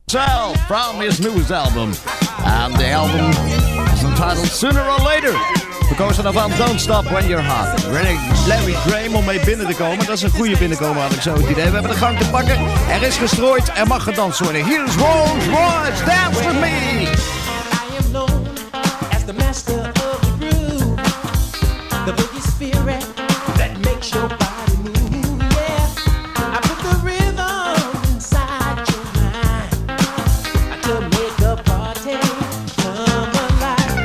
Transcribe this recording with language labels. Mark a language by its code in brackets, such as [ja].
[en] Sal from his newest album. And the album is entitled Sooner or Later. Because of [nl] van Don't Stop When You're Hot. Larry Graham om mee binnen te komen. Dat is een goede binnenkomen, had ik zo het idee. We hebben de gang te pakken. Er is gestrooid. Er mag gedanst worden. [en] Here's Rolls Royce. Dance with me. I am known as the master of the groove. The boogie spirit that makes your body move. Yeah, I put the rhythm inside your mind to make the party come alive.